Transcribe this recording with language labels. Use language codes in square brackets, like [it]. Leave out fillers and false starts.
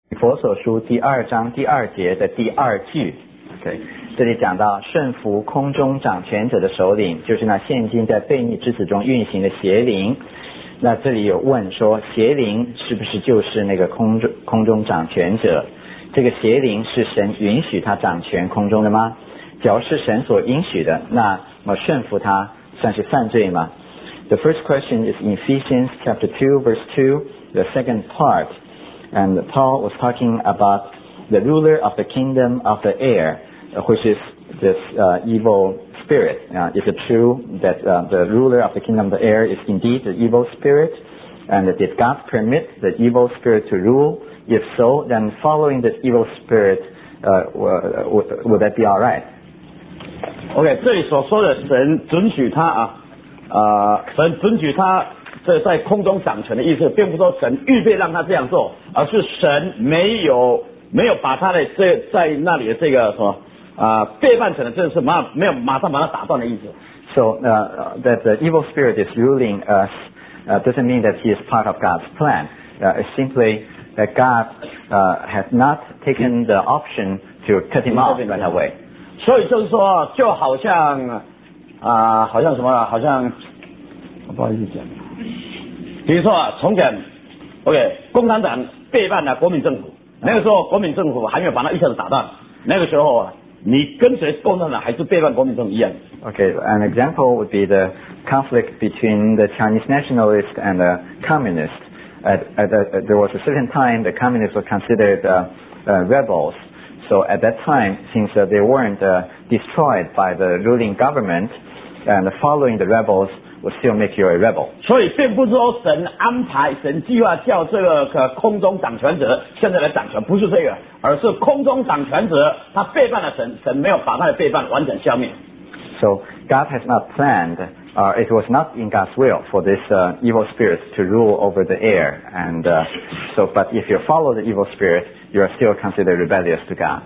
[zh] 佛所书第二章第二节的第二句 ，OK， 这里讲到顺服空中掌权者的首领，就是那现今在悖逆之子中运行的邪灵。那这里有问说，邪灵是不是就是那个空中掌权者？这个邪灵是神允许他掌权空中的吗？假如是神所允许的，那么顺服他算是犯罪吗？ [en] The first question is in Ephesians chapter 2 verse 2, the second part. And Paul was talking about the ruler of the kingdom of the air, which is this evil spirit. Is it true that the ruler of the kingdom of the air is indeed the evil spirit? And did God permit the evil spirit to rule? If so, then following this evil spirit, would that be all right? [zh] OK， 这里所说的神准许他啊，神准许他这在空中掌权的意思，并不是说神预备让他这样做，而是神没有把他的这在那里的这个什么背叛神的这是马上把他打断的意思。 [en] So that the evil spirit is ruling us doesn't mean that he is part of God's plan. It's simply that God has not taken the option to cut him off right away. [zh] 所以就是说，就好像，好像什么，好像，不好意思讲，比如说从前 ，OK， 共产党背叛了国民政府，那个时候国民政府还没有把他一下子打断，那个时候你跟随共产党还是背叛国民政府一样。 [en] OK，an example would be the conflict between the Chinese nationalist and the communist. There was a certain time the communists were considered rebels. So at that time, since they weren't destroyed by the ruling government, and following the rebels would still make you a rebel. [zh] 所以并不是说神安排、神计划叫这个空中掌权者现在来掌权，不是这个，而是空中掌权者他背叛了神，神没有把他的背叛完全消灭。 [en] So God has not planned, it was not in God's will for this evil spirit to rule over the air. And so, but if you follow the evil spirit,You are still considered rebellious to God.